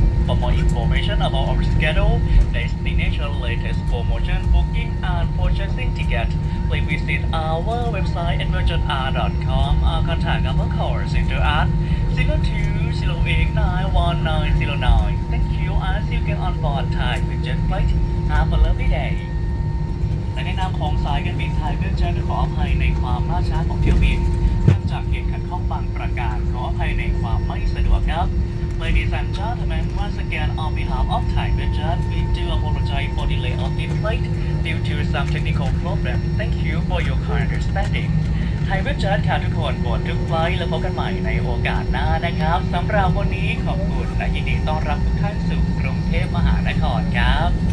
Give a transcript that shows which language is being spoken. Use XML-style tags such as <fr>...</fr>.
<en>For more information about our schedule, destination, latest promotion, booking, and purchasing tickets, please visit our website at virgin.com or contact our call center at 02-089-1909. Thank you and see you again on board Thai Virgin Flight. Have a lovely day.</en> <th>ในนามของสายการบินไทยเวียดนามขออภัยในความล่าช้าของเที่ยวบินเนื่องจากเหตุขัดข้องบางประการขออภัยในความไม่สะดวกครับ</th> <en>Ladies and gentlemen, once again, on behalf of Thai Airways, we do apologize for the delay of the flight due to some technical problem. Thank you for your kind understanding.</en> <th>Thai Airways, ค่ะทุกคนบนทุกไฟล์และพบกันใหม่ในโอกาสหน้านะครับสำหรับวันนี้ขอบคุณและยินดีต้อนรับทุกท่านสู่กรุงเทพมหานครครับ</th>